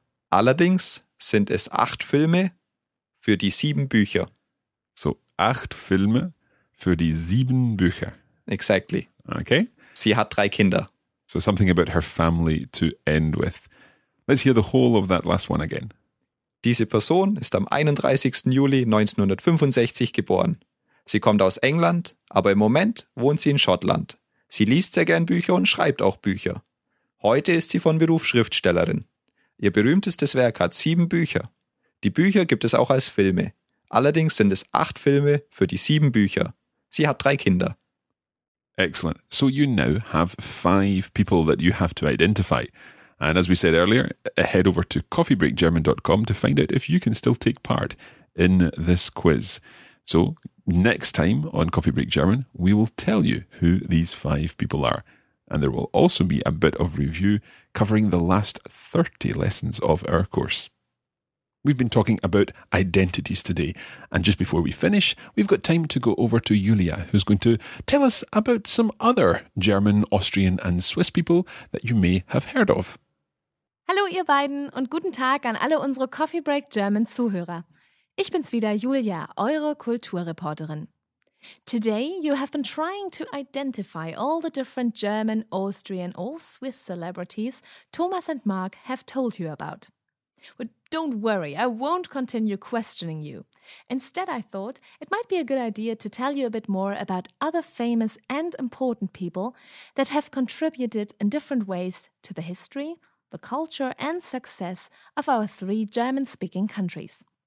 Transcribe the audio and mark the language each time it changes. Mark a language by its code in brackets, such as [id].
[de] Allerdings sind es 8 Filme für die 7 Bücher. So, 8 Filme für die 7 Bücher. [en] Exactly. Okay. [de] Sie hat 3 Kinder. [en] So something about her family to end with. Let's hear the whole of that last one again. [de] Diese Person ist am 31. Juli 1965 geboren. Sie kommt aus England, aber im Moment wohnt sie in Schottland. Sie liest sehr gern Bücher und schreibt auch Bücher. Heute ist sie von Beruf Schriftstellerin. Ihr berühmtestes Werk hat 7 Bücher. Die Bücher gibt es auch als Filme. Allerdings sind es 8 Filme für die 7 Bücher. Sie hat 3 Kinder. [en] Excellent. So you now have 5 people that you have to identify. And as we said earlier, head over to coffeebreakgerman.com to find out if you can still take part in this quiz. So next time on Coffee Break German, we will tell you who these 5 people are. And there will also be a bit of review covering the last 30 lessons of our course. We've been talking about identities today. And just before we finish, we've got time to go over to Julia, who's going to tell us about some other German, Austrian and Swiss people that you may have heard of. [de] Hallo ihr beiden und guten Tag an alle unsere Coffee Break German Zuhörer. Ich bin's wieder, Julia, eure Kulturreporterin. [en] Today you have been trying to identify all the different German, Austrian or Swiss celebrities Thomas and Mark have told you about. But don't worry, I won't continue questioning you. Instead, I thought it might be a good idea to tell you a bit more about other famous and important people that have contributed in different ways to the history, the culture and success of our 3 German-speaking countries.